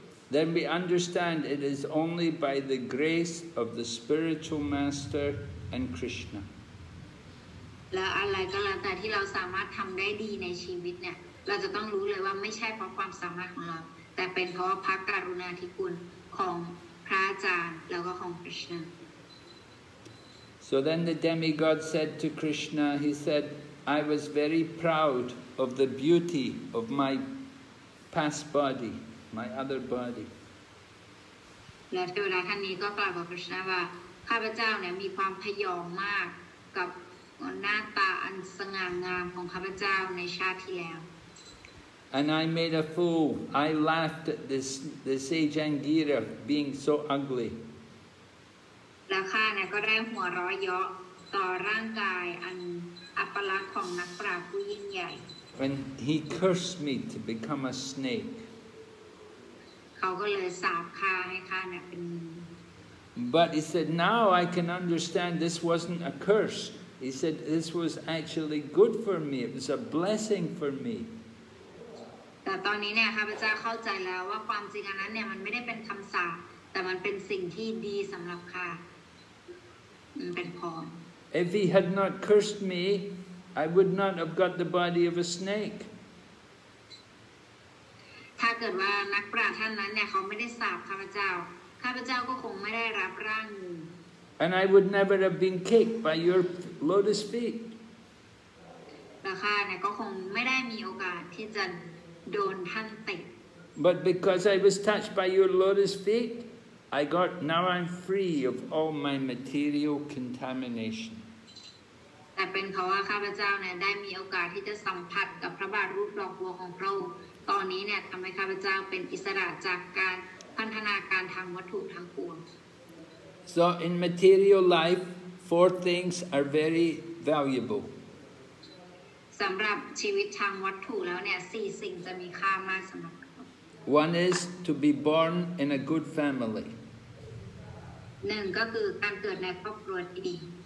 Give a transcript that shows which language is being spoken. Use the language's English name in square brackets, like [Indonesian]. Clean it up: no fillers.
[English] Then we understand it is only by the grace of the spiritual master and Krishna. [Thai] แล้วอะไรก็แล้วแต่ที่เราสามารถทำได้ดีในชีวิตเนี่ยเราจะต้องรู้เลยว่าไม่ใช่เพราะความสามารถของเราแต่เป็นเพราะพระกรุณาธิคุณของพระอาจารย์แล้วก็ของ Krishna. [English] So then the demigod said to Krishna, he said, I was very proud of the beauty of my past body. My other body. [Thai] แล้วเทวดาท่านนี้ก็กล่าวกับพระคุณว่าข้าพเจ้าเนี่ยมีความพยองมากกับหน้าตาอันสง่างามของข้าพเจ้าในชาติที่แล้ว [English] And I made a fool. I laughed at this sage Angira being so ugly. [Thai] แล้วข้าเนี่ยก็ได้หัวเราะเยาะต่อร่างกายอันอัปลักษณ์ของนักปราชญ์ผู้ยิ่งใหญ่ [English] When he cursed me to become a snake. [Thai] เขาก็เลยสาปข้าให้ข้าเนี่ยเป็นงู [English] But he said now I can understand this wasn't a curse he said this was actually good for me it was a blessing for me [Thai] แต่ตอนนี้เนี่ยข้าพเจ้าเข้าใจแล้วว่าความจริงอันนั้นเนี่ยมันไม่ได้เป็นคำสาปแต่มันเป็นสิ่งที่ดีสำหรับข้ามันเป็นพร [English] If he had not cursed me I would not have got the body of a snake [Thai] ถ้าเกิดว่านักปราชญ์ท่านนั้นเนี่ยเขาไม่ได้สาปข้าพเจ้าข้าพเจ้าก็คงไม่ได้รับร่างงู [English] And I would never have been kicked by your lotus feet [Thai] แต่ข้าเนี่ยก็คงไม่ได้มีโอกาสที่จะโดนท่านเตะ [English] But because I was touched by your lotus feet I got now I'm free of all my material contamination [Thai] แต่เป็นเพราะว่าข้าพเจ้าเนี่ยได้มีโอกาสที่จะสัมผัสกับพระบาทรูปดอกบัวของพระองค์ตอนนี้เนี่ยทำให้ข้าพเจ้าเป็นอิสระจากการพันธนาการทางวัตถุทางปวง [English] So in material life, four things are very valuable. [Thai] สำหรับชีวิตทางวัตถุแล้วเนี่ยสี่สิ่งจะมีค่ามากสำหรับ [English] One is to be born in a good family. [Thai] หนึ่งก็คือการเกิดในครอบครัวที่ดี